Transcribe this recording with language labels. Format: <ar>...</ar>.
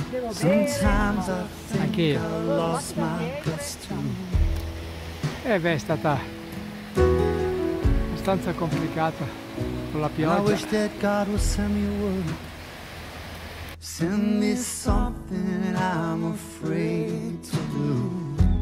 <en>Sometimes I think I lost my costume.</en> <it>E beh, è stata abbastanza complicata con la pioggia.</it> <en>I wish that God would send me word. Send me something I'm afraid to do.</en>